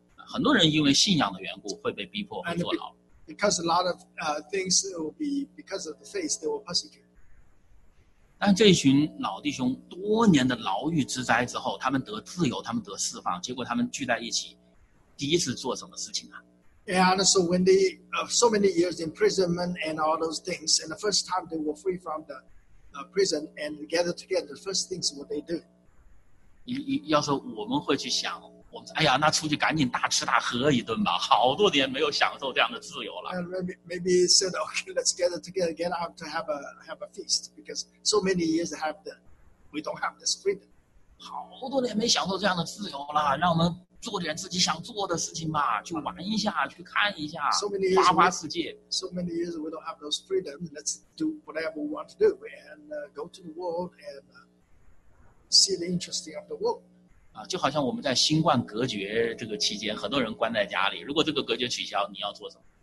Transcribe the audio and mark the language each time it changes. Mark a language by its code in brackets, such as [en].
[zh] 很多人因为信仰的缘故会被逼迫会坐牢。 [en] Because a lot of things will be because of the faith, they were persecuted. [zh] 但这群老弟兄多年的牢狱之灾之后，他们得自由，他们得释放，结果他们聚在一起，第一次做什么事情啊？ [en] And so when they so many years imprisonment and all those things, and the first time they were free from the prison and gathered together, the first things what they do? [zh] 要是我们会去想，我们哎呀，那出去赶紧大吃大喝一顿吧，好多年没有享受这样的自由了。 [en] And maybe said, okay, let's gather together, get out to have a feast, because so many years we don't have this freedom. [zh] 好多年没享受这样的自由了，让我们做点自己想做的事情吧，去玩一下，去看一下，花花世界。 [en] So many years we don't have those freedom. Let's do whatever we want to do and go to the world and see the interesting of the world. [zh] 就好像我们在新冠隔绝这个期间，很多人关在家里。如果这个隔绝取消，你要做什么